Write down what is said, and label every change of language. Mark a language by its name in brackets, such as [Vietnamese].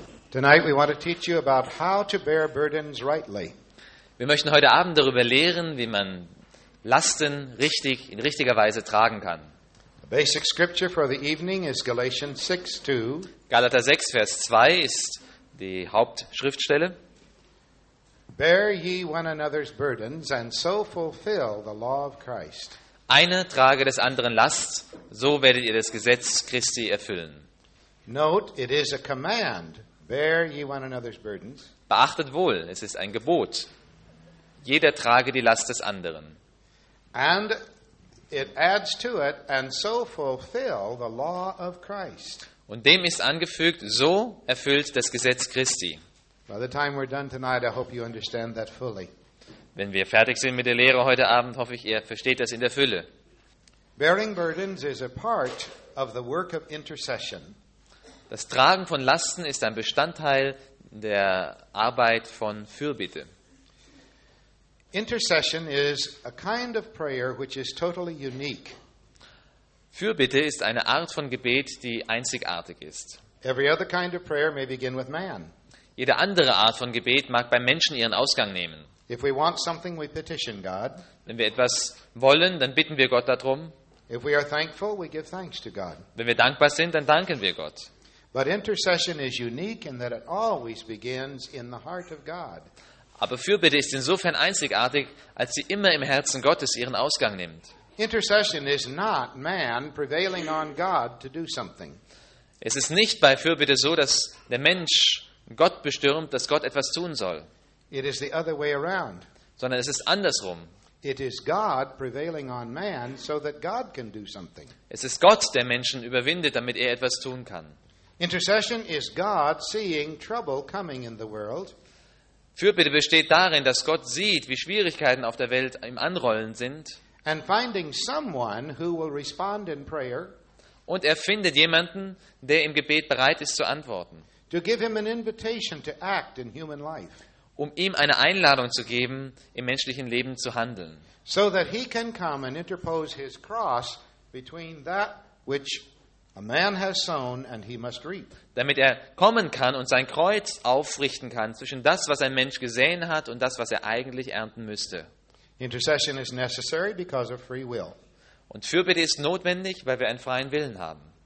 [English] Tonight we want to teach you about how to bear burdens rightly. [German] Wir möchten heute Abend darüber lehren, wie man Lasten richtig in richtiger Weise tragen kann. [English] Basic scripture for the evening is Galatians 6:2. [German] Galater 6, Vers 2 ist die Hauptschriftstelle. [English] Bear ye one another's burdens and so fulfill the law of Christ. [German] Einer trage des anderen Last, so werdet ihr das Gesetz Christi erfüllen. [English] Note, it is a command. Bear ye one another's burdens. [German] Beachtet wohl, es ist ein Gebot. Jeder trage die Last des anderen. [English] And it adds to it and so fulfill the law of Christ. [German] Und dem ist angefügt, so erfüllt das Gesetz Christi. [English] By the time we're done tonight, I hope you understand that fully. [German] Wenn wir fertig sind mit der Lehre heute Abend, hoffe ich, ihr versteht das in der Fülle. [English] Bearing burdens is a part of the work of intercession. [German] Das Tragen von Lasten ist ein Bestandteil der Arbeit von Fürbitte. [English] Intercession is a kind of prayer which is totally unique. [German] Fürbitte ist eine Art von Gebet, die einzigartig ist. [English] Every other kind of prayer may begin with man. [German] Jede andere Art von Gebet mag beim Menschen ihren Ausgang nehmen. [English] If we want something, we petition God. [German] Wenn wir etwas wollen, dann bitten wir Gott darum. [English] If we are thankful, we give thanks to God. [German] Wenn wir dankbar sind, dann danken wir Gott. [English] But intercession is unique in that it always begins in the heart of God. [German] Aber Fürbitte ist insofern einzigartig, als sie immer im Herzen Gottes ihren Ausgang nimmt. [English] Intercession is not man prevailing on God to do something. [German] Es ist nicht bei Fürbitte so, dass der Mensch Gott bestürmt, dass Gott etwas tun soll. [English] It is the other way around. [German] Sondern es ist andersrum. [English] It is God prevailing on man so that God can do something. [German] Es ist Gott, der Menschen überwindet, damit er etwas tun kann. [English] Intercession is God seeing trouble coming in the world. [German] Fürbitte besteht darin, dass Gott sieht, wie Schwierigkeiten auf der Welt im Anrollen sind. [English] And finding someone who will respond in prayer. [German] Und er findet jemanden, der im Gebet bereit ist zu antworten. [English] To give him an invitation to act in human life. [German] Um ihm eine Einladung zu geben, im menschlichen Leben zu handeln. [English] So that he can come and interpose his cross between that which a man has sown and he must reap. [German] Damit er kommen kann und sein Kreuz aufrichten kann zwischen das, was ein Mensch gesehen hat und das, was er eigentlich ernten müsste. [English] Intercession is necessary because of free will. [German] Und Fürbitte ist notwendig, weil wir einen freien Willen haben.